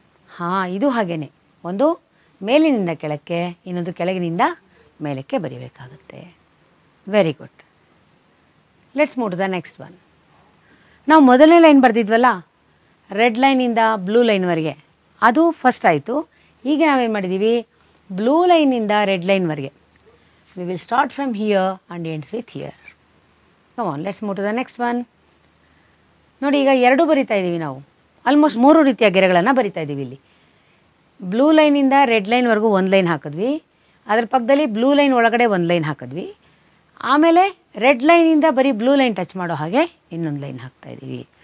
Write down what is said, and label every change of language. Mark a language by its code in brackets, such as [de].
[kn] ಹಾಂ, ಇದು ಹಾಗೇನೆ, ಒಂದು ಮೇಲಿನಿಂದ ಕೆಳಕ್ಕೆ, ಇನ್ನೊಂದು ಕೆಳಗಿನಿಂದ ಮೇಲಕ್ಕೆ ಬರೀಬೇಕಾಗುತ್ತೆ. [en] Very good. Let's move to the next one. [kn] ನಾವು ಮೊದಲನೇ ಲೈನ್ ಬರೆದಿದ್ವಲ್ಲ, ರೆಡ್ ಲೈನಿಂದ ಬ್ಲೂ ಲೈನ್ವರೆಗೆ, ಅದು ಫಸ್ಟ್ ಆಯಿತು. ಈಗ ನಾವೇನು ಮಾಡಿದ್ದೀವಿ, blue ಲೈನಿಂದ red ಲೈನ್ವರೆಗೆ. [en] We will start from here and ends with here. Come on, let's move to the next one. [kn] ನೋಡಿ, ಈಗ ಎರಡು ಬರಿತಾ ಇದ್ದೀವಿ ನಾವು. ಆಲ್ಮೋಸ್ಟ್ 3 ರೀತಿಯ ಗೆರೆಗಳನ್ನು ಬರಿತಾ ಇದ್ದೀವಿ. ಇಲ್ಲಿ ಬ್ಲೂ ಲೈನಿಂದ ರೆಡ್ ಲೈನ್ವರೆಗೂ 1 line ಹಾಕಿದ್ವಿ, ಅದರ ಪಕ್ಕದಲ್ಲಿ ಬ್ಲೂ ಲೈನ್ ಒಳಗಡೆ 1 line ಹಾಕಿದ್ವಿ, ಆಮೇಲೆ ರೆಡ್ ಲೈನಿಂದ ಬರೀ ಬ್ಲೂ ಲೈನ್ ಟಚ್ ಮಾಡೋ ಹಾಗೆ ಇನ್ನೊಂದು ಲೈನ್ ಹಾಕ್ತಾ ಇದ್ದೀವಿ.